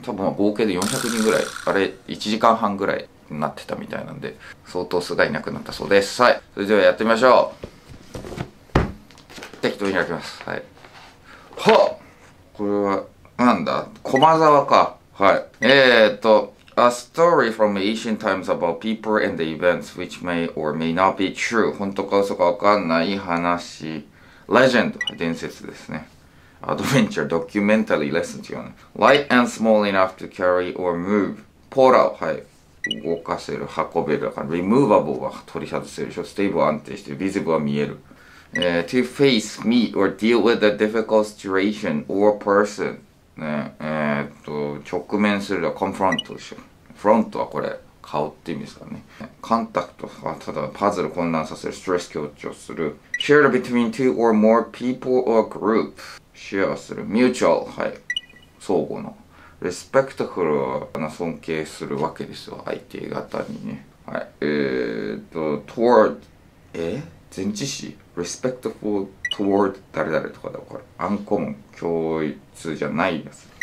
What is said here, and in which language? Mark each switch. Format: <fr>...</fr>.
<ja>多分合計で400人ぐらい。あれ、1時間半ぐらい。なってたみたいなんで、相当数がいなくなったそうです。はい、それではやってみましょう。適当に開きます。はい、はっ、これはなんだ、駒沢か。</ja> <en>はい、A story from ancient times about people and the events which may or may not be true.</en> <ja>本当か嘘かわかんない話。 Legend、 伝説ですね。Adventure、 documentary、 lesson 違うね。</ja> <en>Light and small enough to carry or move。 Portal、</en> <ja>はい、動かせる、運べる。 removable は取り外せるでしょ。stable は安定してる。visible は見える。</ja> <en>to face, meet, or deal with a difficult situation or person.</en> <ja>ね、直面する、confront でしょ。 front はこれ、顔って意味ですかね。contact はただパズル混乱させる。 stress 強調する。</ja> <en>share between two or more people or group.</en> <ja>share する。mutual, はい。相互の。レスペクトフルな尊敬するわけですよ、相手方にね。はい、toward、 前置詞、レスペクトフル toward 誰々とかだ、これ。アンコモン、共通じゃないやつ。</ja>